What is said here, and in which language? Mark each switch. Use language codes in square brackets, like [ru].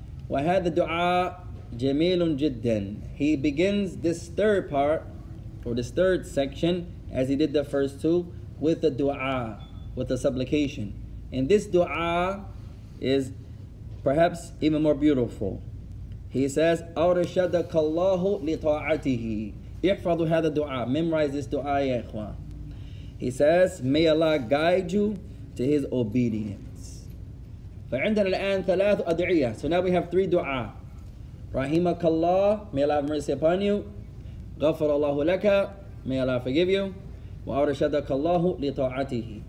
[ar] وهذا الدعاء جميل جدا. [en] He begins this third part, or this third section, as he did the first two, with the دعاء, with the supplication. And this دعاء is perhaps even more beautiful. He says, [ar] أرشدك الله لطاعته. احفظوا هذا الدعاء. [en] Memorize this دعاء يا إخوان. He says, may Allah guide you to his obedience. [ar] فعندنا الآن ثلاث أدعية. [en] So now we have three دعاء. [ar] رحمك الله, [en] may Allah have mercy upon you. [ar] غفر الله لك, [en] may Allah forgive you. [ar] وأرشدك الله لطاعته.